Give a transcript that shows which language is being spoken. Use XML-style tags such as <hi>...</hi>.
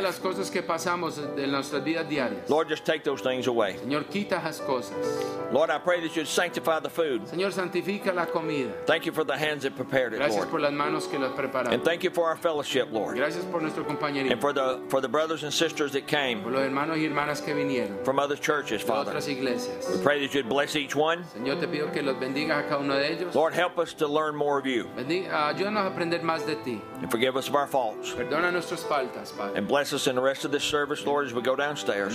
<es>Todas las cosas que pasamos de nuestra vida diaria.</es> <en>Lord, just take those things away.</en> <es>Señor, quita esas cosas.</es> <en>Lord, I pray that you'd sanctify the food.</en> <es>Señor, santifica la comida.</es> <en>Thank you for the hands that prepared it,</en> <es>Gracias</es> <en>Lord.</en> <es>Gracias por las manos que las prepararon.</es> <en>And thank you for our fellowship, Lord.</en> <es>Gracias por nuestro compañerismo.</es> <en>And for the brothers and sisters that came.</en> <es>Por los hermanos y hermanas que vinieron.</es> <en>From other churches, Father.</en> <es>Otras iglesias.</es> <en>We pray that you'd bless each one.</en> <es>Señor, te pido que los bendiga a cada uno de ellos.</es> <en>Lord, help us to learn more of you.</en> <es>Ayúdanos a aprender más de ti.</es> <en>And forgive us of our faults.</en> <es>Perdona nuestras faltas, Padre.</es> <en>And bless us in the rest of this service, Lord, as we go downstairs.</en>